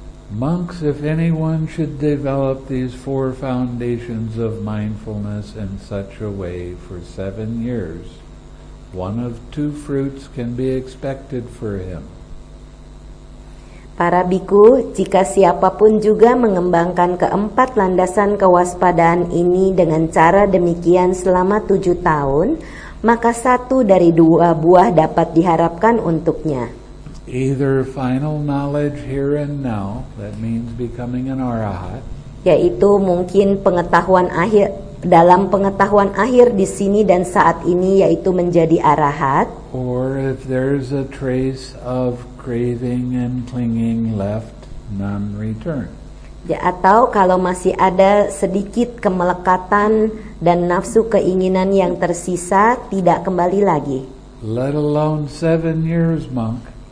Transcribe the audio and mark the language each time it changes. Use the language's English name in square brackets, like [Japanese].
[English] Monks, if anyone should develop these four foundations of mindfulness in such a way for 7 years, one of two fruits can be expected for him. [Indonesian] Para bhikkhu, jika siapapun juga mengembangkan keempat landasan kewaspadaan ini dengan cara demikian selama 7 tahun, maka satu dari dua buah dapat diharapkan untuknya. [English] Either final knowledge here and now, that means becoming an arahat. [Indonesian] Yaitu mungkin pengetahuan akhir, dalam pengetahuan akhir di sini dan saat ini, yaitu menjadi arahat. [English] Or if there is a trace of craving and clinging left, none return. [Indonesian] Ya, atau kalau masih ada sedikit kemelekatan dan nafsu keinginan yang tersisa, tidak kembali lagi. [English] Let alone 7 years, monk.